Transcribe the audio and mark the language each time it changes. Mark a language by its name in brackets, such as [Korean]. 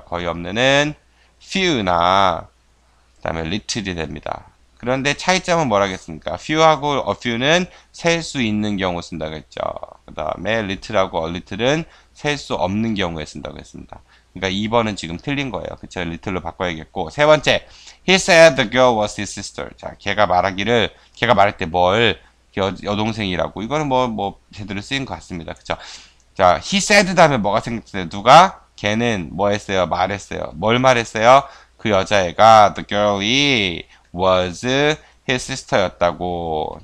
[Korean] 거의 없는은 few나 그다음에 little이 됩니다. 그런데 차이점은 뭐라고 했습니까? few하고 a few는 셀수 있는 경우 쓴다고 했죠. 그다음에 little하고 a little은 셀수 없는 경우에 쓴다고 했습니다. 그러니까 2번은 지금 틀린 거예요. 그쵸? little로 바꿔야겠고. [English] 세 번째, he said the girl was his sister. [Korean] 자, 걔가 말할 때 뭘? 여동생이라고. 이거는 뭐 제대로 쓰인 것 같습니다. 그쵸? 자, he said 다음에 뭐가 생겼어요? 누가? 걔는 뭐 했어요? 말했어요. 뭘 말했어요? 그 여자애가 the girl이 [English] was his sister [Korean] 였다고.